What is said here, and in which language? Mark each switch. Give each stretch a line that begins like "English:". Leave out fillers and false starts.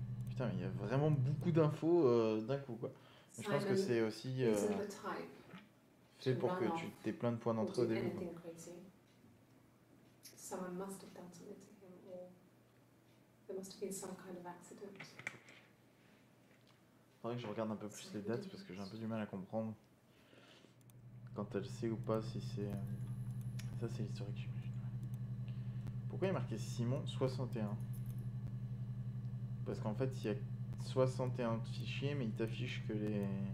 French: Putain, il y a vraiment beaucoup d'infos d'un coup, quoi. Simon, je pense que c'est aussi type fait pour que tu aies plein de points d'entrée au début.
English: Someone must have done something to him, or there must have been some kind of accident.
French: Faudrait que je regarde un peu plus les dates parce que j'ai un peu du mal à comprendre quand elle sait ou pas si c'est. Ça, c'est l'historique, j'imagine. Pourquoi il y a marqué Simon 61? Parce qu'en fait, il y a 61 fichiers, mais il t'affiche que les.